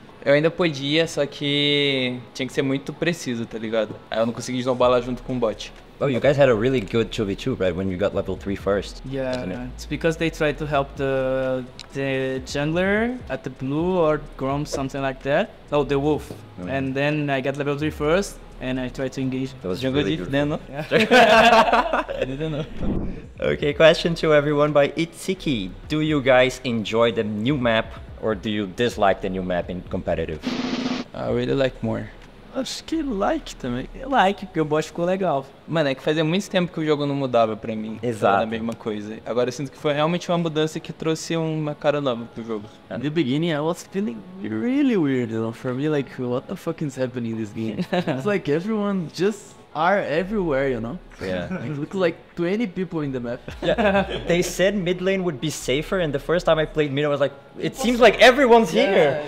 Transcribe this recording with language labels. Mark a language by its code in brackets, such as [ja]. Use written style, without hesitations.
[pt] Eu ainda podia, só que tinha que ser muito preciso, tá ligado? Aí eu não consegui snowball junto com o bot. [en] Oh, you guys had a really good 2v2, right, when you got level 3 first. Yeah, it's because they tried to help the jungler at the blue or Grom, something like that. Oh, the wolf. Mm-hmm. And then I got level 3 first, and I tried to engage. That was jungle really deep, good. Then, no? Yeah. I didn't know. Okay, question to everyone by Itziki. Do you guys enjoy the new map, or do you dislike the new map in competitive? I really like more. [pt] Acho que like também. Like, porque o bot ficou legal. Mano, é que fazia muito tempo que o jogo não mudava pra mim. Exato. Era a mesma coisa. Agora eu sinto que foi realmente uma mudança que trouxe uma cara nova pro jogo. [en] In the beginning, I was feeling really weird, you know, for me, like, what the fuck is happening in this game? It's like everyone just are everywhere, you know? Yeah. It looks like 20 people in the map. Yeah. They said mid lane would be safer, and the first time I played mid, I was like, it seems like everyone's here.